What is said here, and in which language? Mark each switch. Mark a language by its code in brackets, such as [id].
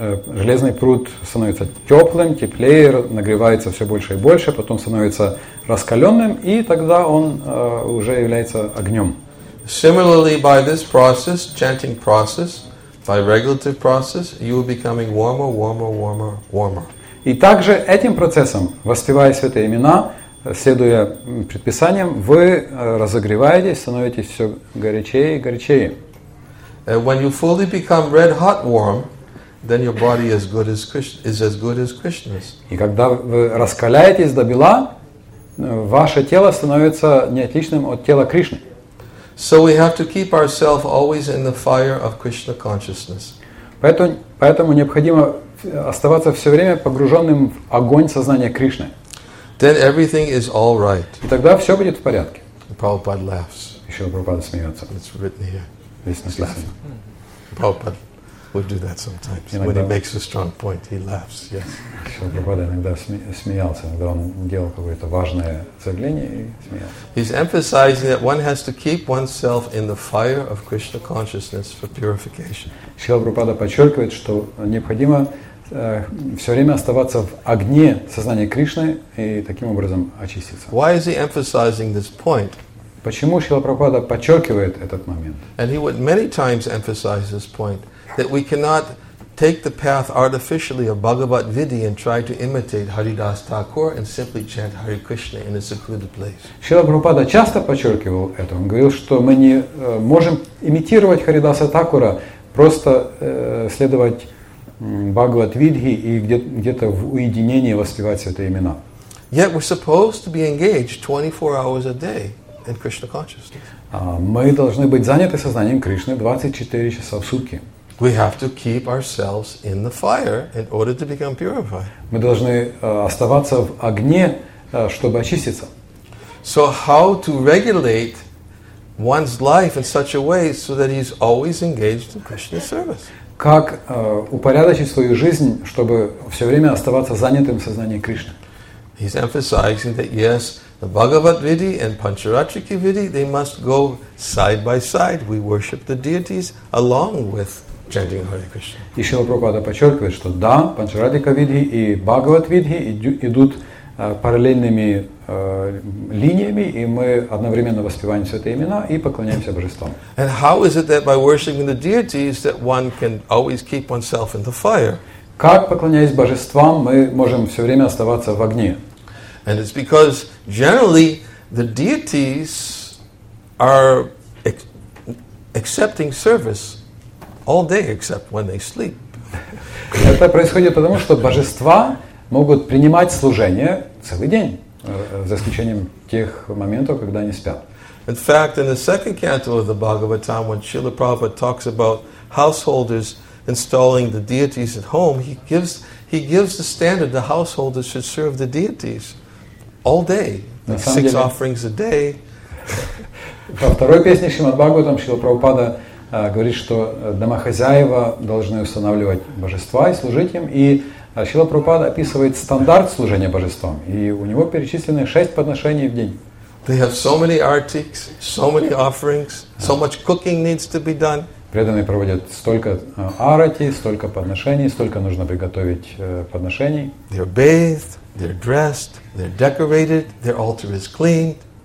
[ru] Железный пруд становится теплым, теплее, нагревается все больше и больше, потом становится раскаленным, и тогда он уже является огнем. [en] Similarly, by this process, chanting process, by regulative process, you will become warmer, warmer, warmer, warmer. [ru] И также этим процессом, воспевая святые имена, следуя предписаниям, вы разогреваетесь, становитесь все горячее и горячее. [en] And when you fully become red hot warm, then your body is good as Krishna, is as good as Krishna's. [ru] И когда вы раскаляетесь до бела, ваше тело становится неотличным от тела Кришны. [en] So we have to keep ourselves always in the fire of Krishna consciousness. [ru] Поэтому необходимо оставаться все время погруженным в огонь сознания Кришны. [en] Then everything is all right. [ru] И тогда все будет в порядке. [en] Prabhupada laughs. [ru] Еще Прабхупада смеется. [en] It's written here. Listen, Prabhupada would do that sometimes. [ru] Иногда, [en] when he makes a strong point, he laughs. Yes. [ru] Прабхупада иногда смеялся, когда он делал какое-то важное заявление и смеялся. [en] He's emphasizing that one has to keep oneself in the fire of Krishna consciousness for purification. [ru] Шрила Прабхупада подчеркивает, что необходимо все время оставаться в огне сознания Кришны и таким образом очиститься. [en] Why is he emphasizing this point? [ru] Почему Шрила Прабхупада подчеркивает этот момент? [en] And he would many times emphasize this point, that we cannot take the path artificially of Bhagavad Vidhi and try to imitate Haridas Thakur and simply chant Hare Krishna in a secluded place. [ru] Шрила Прабхупада часто подчеркивал это. Он говорил, что мы не можем имитировать Харидаса Такура, просто следовать Бхагавад Видхи и где-то в уединении воспевать святые имена. [en] Yet we're supposed to be engaged 24 hours a day. In Krishna consciousness. [ru] Мы должны быть заняты сознанием Кришны 24 часа в сутки. [en] We have to keep ourselves in the fire in order to become purified. [ru] Мы должны оставаться в огне, чтобы очиститься. [en] So how to regulate one's life in such a way so that he's always engaged in Krishna service? [ru] Как упорядочить свою жизнь, чтобы все время оставаться занятым сознанием Кришны? [en] He's emphasizing that yes. The Bhagavad Vidhi and Pancharatriki Vidhi, they must go side by side. We worship the deities along with chanting Hare Krishna. [ru] И Шрила Прабхупада подчеркивает, что да, Пачарадика Видхи и Бхагават Видхи идут параллельными линиями, и мы одновременно воспеваем святые имена и поклоняемся божествам. [en] And how is it that by worshiping the deities that one can always keep oneself in the fire? [ru] Как, поклоняясь божествам, мы можем все время оставаться в огне? [en] And it's because generally the deities are accepting service all day except when they sleep. [ru] Это происходит потому, что божества могут принимать служение целый день, за исключением тех моментов, когда они спят. [en] In fact, in the second canto of the Bhagavatam, when Srila Prabhupada talks about householders installing the deities at home, he gives the standard the householders should serve the deities. All day, like six [ru] деле, [en] offerings a day. [ru] Во второй песне Шримад-Бхагаватам Шрила Прабхупада говорит, что домохозяева должны устанавливать божества и служить им. И Шрила Прабхупада описывает стандарт служения божествам. И у него перечислены 6 подношений в день. [en] They have so many artics, so many offerings, so much cooking needs to be done. [ru] Преданные проводят столько арати, столько подношений, столько нужно приготовить подношений. [en] They're bathed, they're dressed, they're decorated, their altar is cleaned.